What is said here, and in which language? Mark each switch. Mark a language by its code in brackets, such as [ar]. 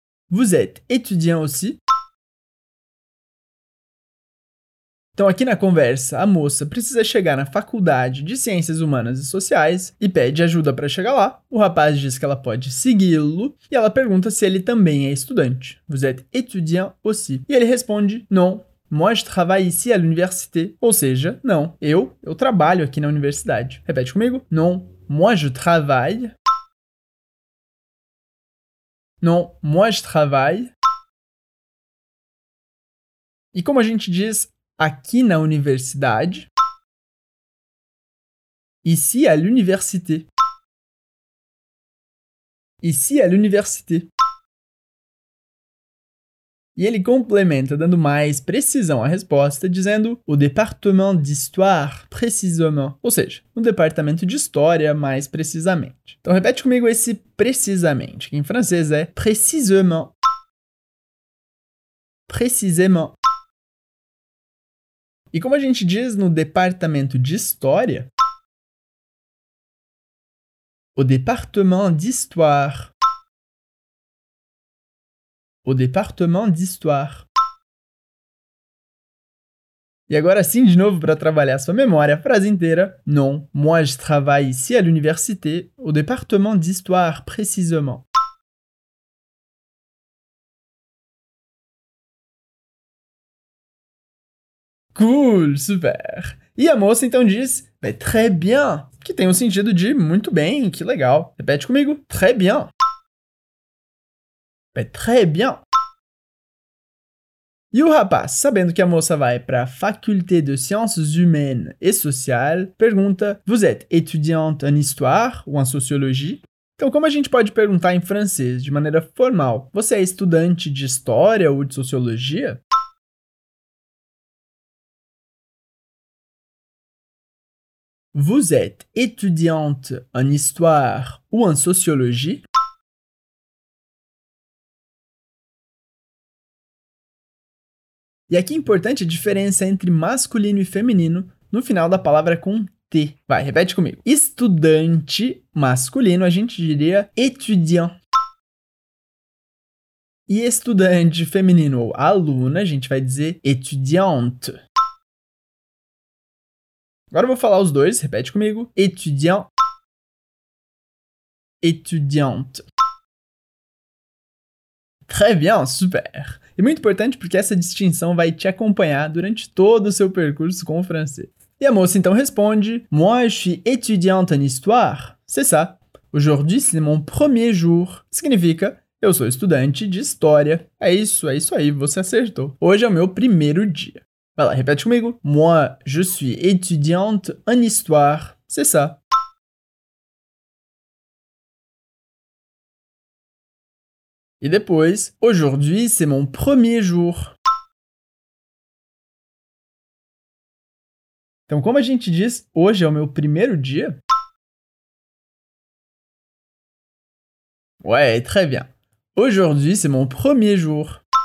[fr] Vous êtes étudiant aussi? [pt] Então, aqui na conversa, a moça precisa chegar na Faculdade de Ciências Humanas e Sociais e pede ajuda para chegar lá. O rapaz diz que ela pode segui-lo e ela pergunta se ele também é estudante. [fr] Vous êtes étudiant aussi? [pt] E ele responde, [fr] non, moi je travaille ici à l'université. [pt] Ou seja, não, eu trabalho aqui na universidade. Repete comigo, [fr] non, moi je travaille. Non, moi je travaille. [pt] E como a gente diz aqui na universidade? [fr] Ici à l'université. Ici à l'université. [pt] E ele complementa, dando mais precisão à resposta, dizendo [fr] au département d'histoire, précisément. [pt] Ou seja, no departamento de história, mais precisamente. Então, repete comigo esse precisamente, que em francês é précisément. [fr] Précisément. [pt] E como a gente diz no departamento de história? [fr] Au département d'histoire. O Departement d'Histoire. [pt] E agora sim, de novo, para trabalhar sua memória, a frase inteira. [fr] Non, moi je travaille ici à l'université, au Département d'Histoire, précisément. Cool, super! [pt] E a moça então diz, [fr] bah, très bien, [pt] que tem o sentido de muito bem, que legal. Repete comigo, très bien. [fr] Bah, très bien. [pt] E o rapaz, sabendo que a moça vai para a Faculté de Sciences Humaines et Sociales, pergunta, [fr] vous êtes étudiante en histoire ou en sociologie? [pt] Então, como a gente pode perguntar em francês, de maneira formal, você é estudante de história ou de sociologia? [fr] Vous êtes étudiante en histoire ou en sociologie? [pt] E aqui é importante a diferença entre masculino e feminino no final da palavra com T. Vai, repete comigo. Estudante masculino, a gente diria étudiant. E estudante feminino ou aluna, a gente vai dizer étudiante. Agora eu vou falar os dois, repete comigo. Étudiant. [fr] Étudiante. Très bien, super! [pt] E muito importante porque essa distinção vai te acompanhar durante todo o seu percurso com o francês. [fr] E a moça então responde, moi je suis étudiante en histoire. C'est ça. Aujourd'hui c'est mon premier jour. [pt] Significa, eu sou estudante de história. É isso aí, você acertou. Hoje é o meu primeiro dia. Vai lá, repete comigo. [fr] Moi je suis étudiante en histoire. C'est ça. [pt] E depois, [fr] aujourd'hui, c'est mon premier jour. [pt] Então, como a gente diz, hoje é o meu primeiro dia? [fr] Ouais, très bien. Aujourd'hui, c'est mon premier jour.